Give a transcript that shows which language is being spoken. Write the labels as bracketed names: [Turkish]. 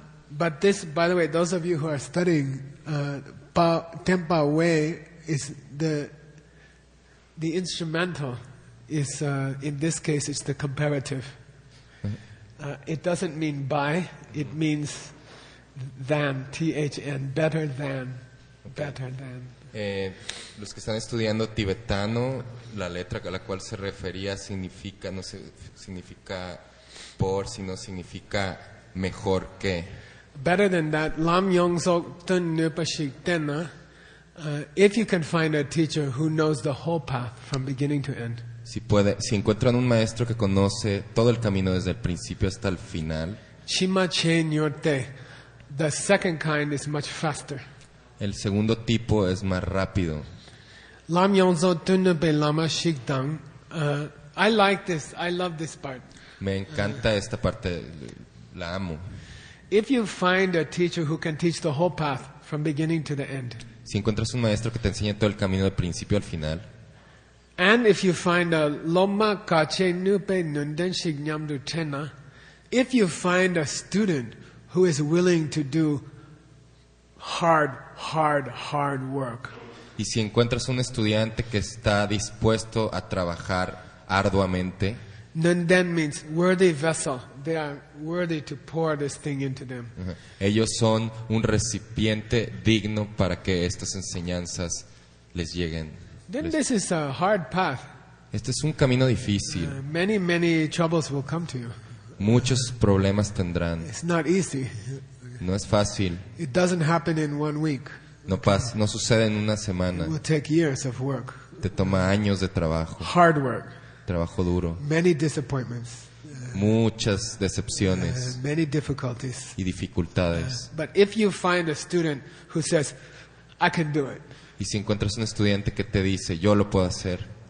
[English] But this, by the way, those of you who are studying Tenpa Wei is the instrumental is in this case it's the comparative. It doesn't mean by, it means than, THN, better than, okay. Better than. [Spanish] Los que están estudiando tibetano, la letra a la cual se refería significa, no sé, significa por, sino significa mejor que. [English] Better than that, [Tibetan] Lam Yong Sok Tun Nupa Shik Tena, [English] if you can find a teacher who knows the whole path from beginning to end. [Spanish] Si puede, si encuentran un maestro que conoce todo el camino desde el principio hasta el final. [Tibetan] Chima Che Nyorte, [English] the second kind is much faster. [Spanish] El segundo tipo es más rápido. [Tibetan] Lam Yong Sok Tun Nupa Lama Shik Tang. [English] I like this, I love this part. [Spanish] Me encanta esta parte, la amo. [English] If you find a teacher who can teach the whole path from beginning to the end. [Spanish] Si encuentras un maestro que te enseñe todo el camino de principio al final. [English] And if you find a [Tibetan] Loma Kache Nupe Nunden Shik Nyamdu Tena, [English] if you find a student who is willing to do hard work. [Spanish] Y si encuentras un estudiante que está dispuesto a trabajar arduamente. [English] Nunden means worthy vessel. They are worthy to pour this thing into them. [Spanish] Ellos son un recipiente digno para que estas enseñanzas les lleguen. [English] Then this is a hard path. [Spanish] Este es un camino difícil. [English] Many troubles will come to you. [Spanish] Muchos problemas tendrán. [English] It's not easy. [Spanish] No es fácil. [English] It doesn't happen in 1 week. [Spanish] No sucede en una semana. [English] It will take years of work. [Spanish] Te toma años de trabajo. [English] Hard work. [Spanish] Trabajo duro. [English] Many disappointments. [Spanish] Muchas decepciones. [English] Many difficulties. [Spanish] Y dificultades. [English] But if you find a student who says, I can do it. [Spanish] Y si encuentras un estudiante que te dice, yo lo puedo hacer.